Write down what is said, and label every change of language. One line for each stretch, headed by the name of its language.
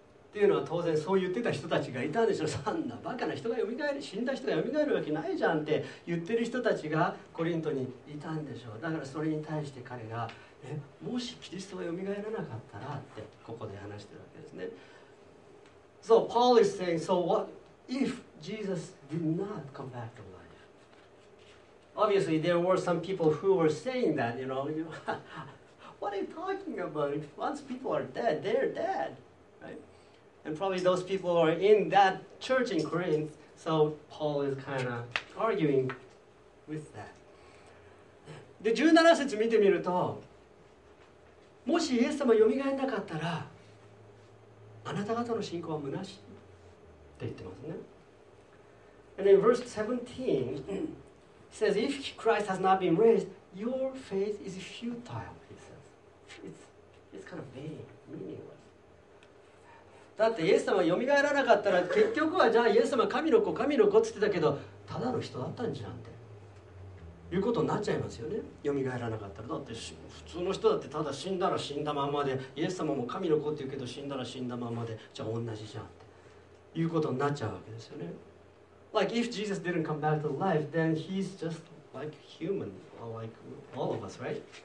Japanese: っていうのは当然そう言ってた人たちがいたんでしょう。そんなバカな人が死んだ人がよみがえるわけないじゃんって言ってる人たちがコリントにいたんでしょう。だからそれに対して彼がもしキリストがよみがえらなかったらってここで話してるわけですね。
English: So Paul is saying, so what if Jesus did not come back to life? Obviously there were some people who were saying that, you know. What are you talking about? Once people are dead, they're dead, right? And probably those people are in that church in Corinth, so Paul is kind of arguing with that.
Japanese: で、17節見てみると、もしイエス様よみがえなかったら、あなた方の信仰は虚しいって言ってますね。
English: And in verse 17, he says, If Christ has not been raised, your faith is futile, he says. It's kind of vain, meaningless.
Japanese: だってイエス様はよみがえらなかったら結局はじゃあイエス様神の子神の子って言ってたけどただの人だったんじゃんっていうことになっちゃいますよねよみがえらなかったらだって普通の人だってただ死んだら死んだままでイエス様も神の子って言うけど死んだら死んだままでじゃあ同じじゃんっていうことになっちゃうわけですよね
English: Like if Jesus didn't come back to life then he's just like human like all of us right